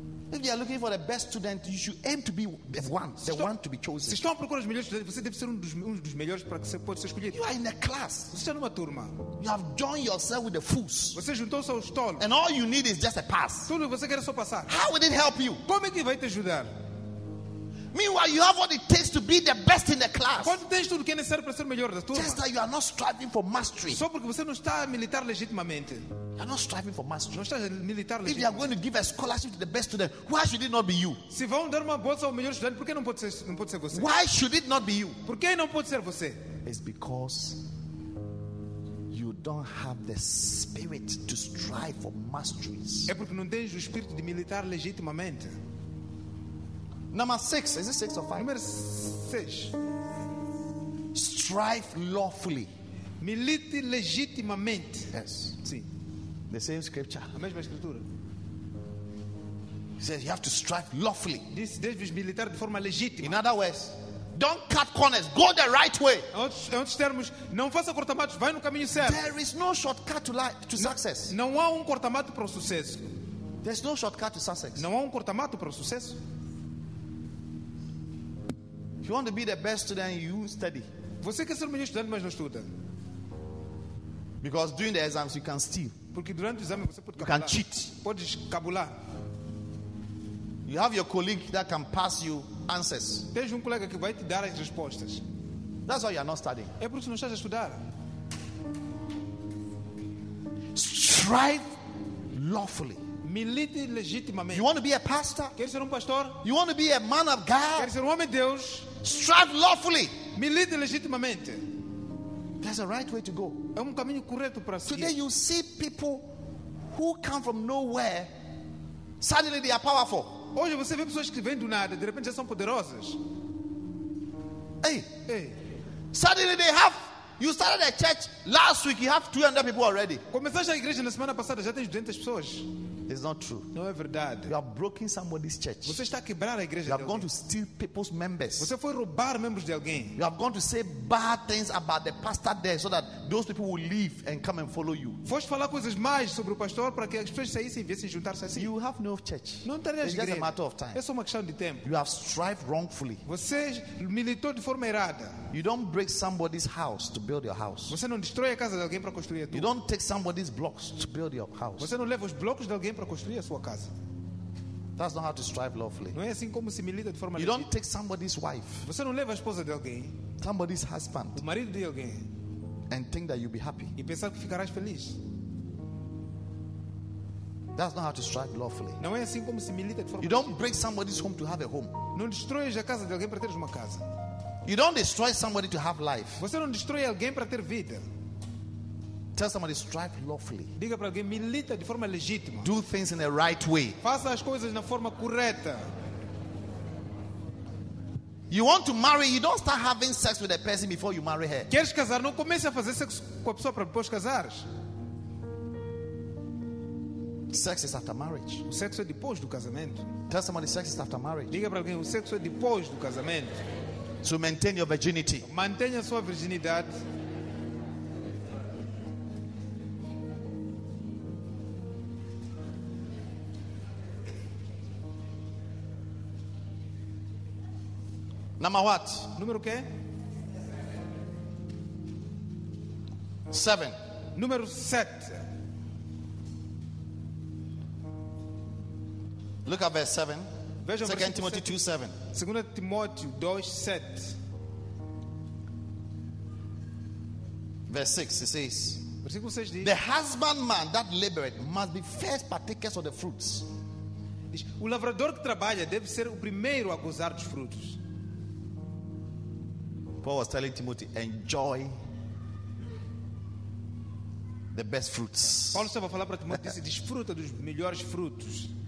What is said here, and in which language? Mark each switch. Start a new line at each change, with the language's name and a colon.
English: If you are looking for the best student, you should aim to be the one to be chosen.
Portuguese: Se estão a procurar os melhores estudantes, você deve ser um dos melhores para que você possa ser escolhido.
English: You are in a class.
Portuguese: Você está numa turma.
English: You have joined yourself with the fools.
Portuguese: Você juntou-se aos tolos.
English: And all you need is just a pass.
Portuguese: Tudo que você quer é só passar.
English: How will it help you?
Portuguese: Como é que vai te ajudar?
English: Meanwhile, you have what it takes to be the best in the class.
Portuguese: Quando tens tudo que é necessário para ser melhor da turma.
English: Just that you are not striving for mastery.
Portuguese: Só porque você não está a militar legitimamente.
English: You are not striving for mastery. If you are going to give a scholarship to the best student, why should it not be you?
Portuguese: Se vão dar uma bolsa ao melhor estudante, por que não pode ser você?
English: Why should it not be you?
Portuguese: Por que não pode ser você?
English: It's because you don't have the spirit to strive for masteries.
Portuguese: É porque não tens o espírito de militar legitimamente.
English: Number six, is it six or five?
Portuguese: Número 6.
English: Strive lawfully.
Portuguese: Milite legitimamente.
English: Yes.
Portuguese: Sim.
English: The same scripture.
Portuguese: A mesma escritura.
English: He says you have to strive lawfully. This
Portuguese: deve militar de forma legítima.
English: In other words, don't cut corners. Go the right way.
Portuguese: Em outros termos, não faça cortamatos. Vai no caminho certo.
English: There is no shortcut to life to success.
Portuguese: Não há um cortamato para o sucesso.
English: There's no shortcut to success.
Portuguese: Não há um cortamato para o sucesso.
English: If you want to be the best student, you study.
Portuguese: Você quer ser o melhor estudante, mas não estuda.
English: Because during the exams, you can steal.
Portuguese: Porque durante o exame você pode cabular.
English: You can cheat.
Portuguese: Pode cabular.
English: You have your colleague that can pass you answers.
Portuguese: Tens um colega que vai te dar as respostas.
English: That's why you are not studying.
Portuguese: É por isso que não estás a estudar.
English: Strive lawfully.
Portuguese: Milite legitimamente.
English: You want to be a pastor?
Portuguese: Quer ser pastor?
English: You want to be a man of God?
Portuguese: Quer ser homem de Deus?
English: Strive lawfully.
Portuguese: Milite legitimamente.
English: There's a right way to go.
Portuguese: É caminho correto para seguir.
English: Today you see people who come from nowhere, suddenly they are powerful.
Portuguese: Hoje você vê pessoas que vêm do nada, de repente já são poderosas.
English: Hey, hey. Suddenly they have You started a church last week. You have 200 people already.
Portuguese: Começou a igreja na semana passada, já tem 200 pessoas.
English: It's not true.
Portuguese: Não é verdade.
English: You have broken somebody's church.
Portuguese: Você está a quebrar a igreja.
English: You have gone to steal people's members.
Portuguese: Você foi roubar membros de alguém.
English: You have gone to say bad things about the pastor there so that those people will leave and come and follow you.
Portuguese: Foste falar coisas más sobre o pastor para que as pessoas saíssem e viessem juntar-se assim.
English: You have no church.
Portuguese: Não terás igreja.
English: It's just a matter of time.
Portuguese: É só uma questão de tempo.
English: You have strived wrongfully.
Portuguese: Você militou de forma errada.
English: You don't break somebody's house to build your house.
Portuguese: Você não destrói a casa de alguém para construir a tua.
English: You don't take somebody's blocks to build your house.
Portuguese: Você não leva os blocos de alguém para construir a sua casa.
English: That's not how to strive lawfully.
Portuguese: Não é assim como se milita de forma legítima.
English: You don't take somebody's wife.
Portuguese: Você não leva a esposa de alguém.
English: Somebody's husband.
Portuguese: O marido de alguém.
English: And think that you'll be happy.
Portuguese: E pensar que ficarás feliz.
English: That's not how to strive lawfully.
Portuguese: Não é assim como se milita de forma.
English: You don't break somebody's home to have a home.
Portuguese: Não destrói a casa de alguém para ter uma casa.
English: You don't destroy somebody to have life.
Portuguese: Você não destrói alguém para ter vida.
English: Tell somebody strive lawfully.
Portuguese: Diga para alguém milita de forma legítima.
English: Do things in the right way.
Portuguese: Faça as coisas na forma correta.
English: You want to marry? You don't start having sex with a person before you marry her.
Portuguese: Queres casar? Não comece a fazer sexo com a pessoa para depois casar.
English: Sex is after marriage.
Portuguese: O sexo é depois do casamento.
English: Tell somebody sex is after marriage.
Portuguese: Diga para alguém o sexo é depois do casamento.
English: To maintain your virginity.
Portuguese: Mantenha sua virginidade.
English: Number what?
Portuguese: Número quê?
English: Seven.
Portuguese: Número sete.
English: Look at verse 7.
Portuguese: Veja
English: 2 Timothy 2:7.
Portuguese: Segunda Timóteo 2:7.
English: Verse 6, it says.
Portuguese: Versículo 6 diz.
English: The husbandman that labored must be first partakers of the fruits.
Portuguese: Diz, o lavrador que trabalha deve ser o primeiro a gozar dos frutos.
English: Paul was telling Timothy, enjoy the best fruits.
Portuguese: Paulo estava a falar para Timóteo, disse, desfruta dos melhores frutos.